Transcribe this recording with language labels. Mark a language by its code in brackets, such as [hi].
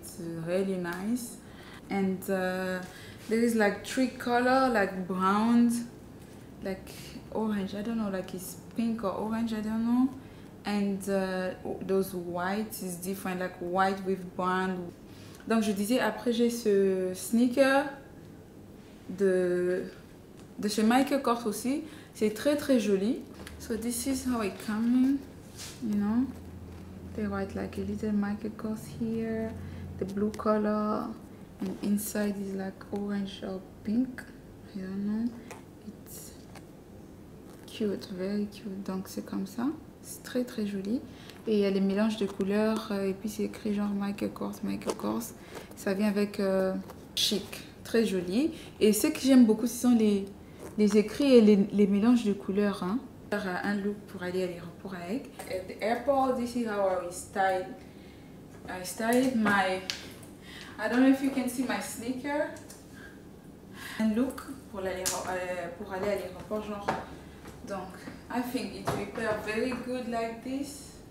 [en] It's really nice. And there is like three color, like brown, like orange. I don't know, like it's pink or orange. I don't know. And those white is different, like white with brown. [fr] Donc je disais, après j'ai ce sneaker de chez Michael Kors aussi. C'est très très joli. [en] So this is how it comes in, you know. They write like a little Michael Kors here, the blue color, and inside is like orange or pink, I don't know. It's cute, very cute. [fr] Donc c'est comme ça. C'est très très joli. Et il y a les mélanges de couleurs et puis c'est écrit genre Michael Kors. Ça vient avec chic, très joli. Et ce que j'aime beaucoup, ce sont les écrits et les mélanges de couleurs, hein. J'ai un look pour aller à l'aéroport avec. [en] At the airport, this is how I styled my, I don't know if you can see my sneaker. [fr] Un look pour aller à l'aéroport, genre. Donc, [en] I think it will pair very good like this.